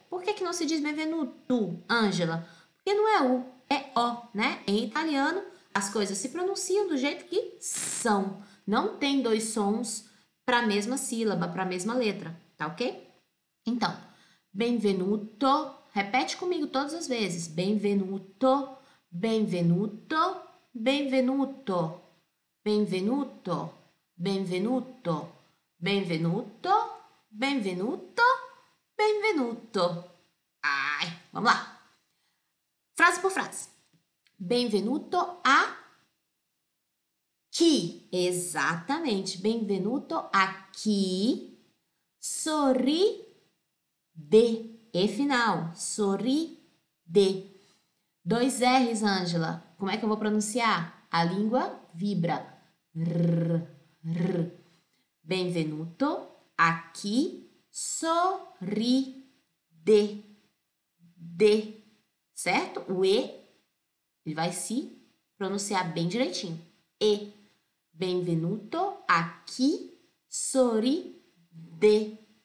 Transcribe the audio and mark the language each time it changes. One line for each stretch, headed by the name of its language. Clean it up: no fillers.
Portuguese: Por que que não se diz benvenuto, Angela? Porque não é U, é O, né? Em italiano, as coisas se pronunciam do jeito que são. Não tem dois sons para a mesma sílaba, para a mesma letra, tá ok? Então, benvenuto, repete comigo todas as vezes.
Italian: Benvenuto, benvenuto, benvenuto, benvenuto, benvenuto, benvenuto, benvenuto, benvenuto.
Portuguese: Ai, vamos lá. Frase por frase.
Italian: Benvenuto a chi? Esattamente. Benvenuto a chi sorride
Portuguese: e final. Sorride. Dois R's, Angela. Como é que eu vou pronunciar? A língua vibra. R, r.
Italian: Benvenuto a chi sorride.
Portuguese: De, certo? O E, ele vai se pronunciar bem direitinho.
Italian: E, benvenuto a chi sorride.